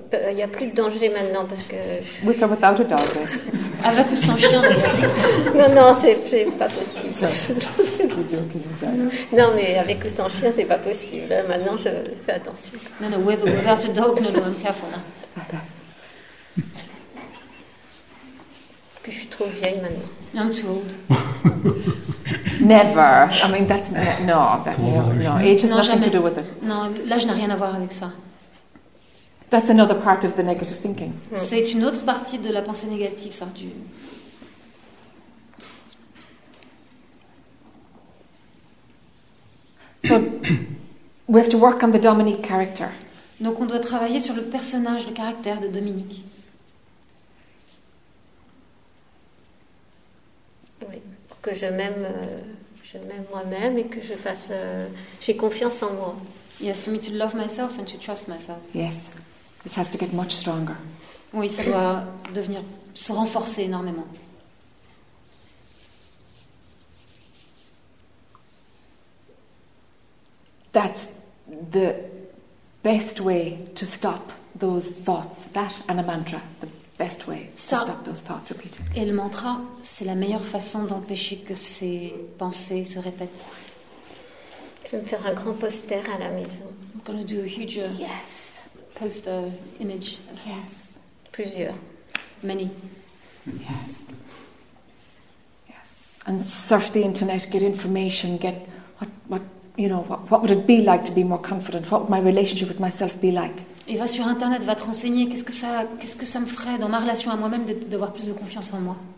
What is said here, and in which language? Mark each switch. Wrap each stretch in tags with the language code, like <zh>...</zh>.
<fr>Il n'y a plus de danger maintenant parce que.</fr> <en>With or without a dog. Yes.</en> <fr>Avec ou sans chien. Non, c'est pas possible. Non, mais avec ou sans chien, c'est pas possible. Maintenant, je fais attention. Non,</fr> <en>with or without a dog, no, I'm careful.</en> <fr>Puis je suis trop vieille maintenant.</fr> <en>I'm too old. Never. I mean, that's no. Age has nothing to do with it.</en> <fr>Non, l'âge n'a rien à voir avec ça.</fr> <en>That's another part of the negative thinking.</en> <fr>C'est une autre partie de la pensée négative, ça. Du...</fr> <en>So we have to work on the Dominique character.</en> <fr>Donc on doit travailler sur le personnage, le caractère de Dominique. Oui, pour que je m'aime moi-même et que je fasse, j'ai confiance en moi.</fr> <en>Yes, for me to love myself and to trust myself. Yes. This has to get much stronger.</en> <fr>Oui, ça doit devenir se renforcer énormément.</fr> <en>That's the best way to stop those thoughts. That and a mantra, the best way to stop those thoughts repeating.</en> <fr>Et le mantra, c'est la meilleure façon d'empêcher que ces pensées se répètent. Je vais me faire un grand poster à la maison.</fr> <en>I'm going to do a huge. Yes. Post an image. Yes.</en> <fr>Plusieurs.</fr> <en>Many. Yes. Yes. And surf the internet, get information, get what would it be like to be more confident? What would my relationship with myself be like?</en> <fr>Et va sur internet, va te renseigner. Qu'est-ce que ça me ferait dans ma relation à moi-même d'avoir plus de confiance en moi?</fr>